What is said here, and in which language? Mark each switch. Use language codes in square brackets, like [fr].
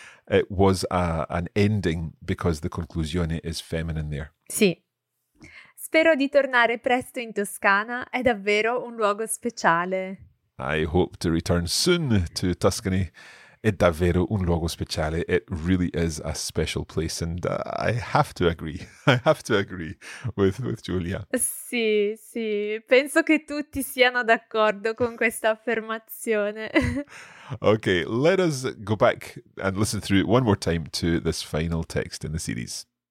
[en] It was an ending because the conclusione is feminine there. [it] Sì. Spero di tornare presto in Toscana, è davvero un luogo speciale. [en] I hope to return soon to Tuscany. [it] È davvero un luogo speciale. [en] It really is a special place, and I have to agree with Giulia. [it] Sì, sì, penso che tutti siano d'accordo con questa affermazione. [en] Okay, let us go back and listen through it one more time to this final text in the series.